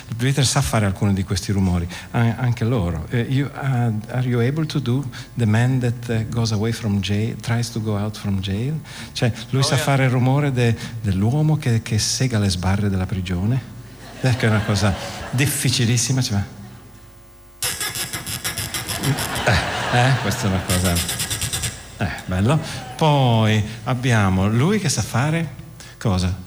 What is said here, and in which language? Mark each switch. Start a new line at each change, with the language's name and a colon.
Italian: Peter sa fare alcuni di questi rumori, anche loro.
English: Are you able to do the man that goes away from jail, tries to go out from jail?
Italian: Cioè, lui sa fare il rumore dell'uomo che sega le sbarre della prigione, che è una cosa difficilissima. Cioè, questa è una cosa... bello. Poi abbiamo lui che sa fare cosa?